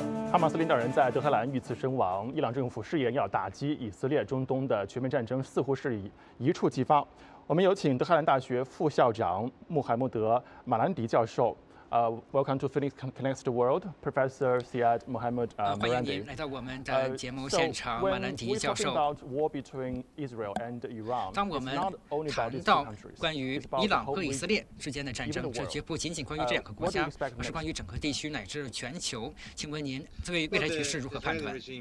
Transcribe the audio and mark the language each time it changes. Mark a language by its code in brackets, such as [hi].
[zh] 哈马斯领导人在德黑兰遇刺身亡，伊朗政府誓言要打击以色列，中东的全面战争似乎是一触即发。我们有请德黑兰大学副校长穆罕默德·马兰迪教授。 [en] Welcome to Phoenix Connects the World, Professor Syed Mohammed Marandi. [zh] 欢迎来到我们的节目现场，马兰迪教授。 [en] So when we talk about war between Israel and Iran, [zh] 当我们谈到关于伊朗和以色列之间的战争，这绝不仅仅关于这两个国家，而是关于整个地区乃至全球。请问您对未来局势如何判断？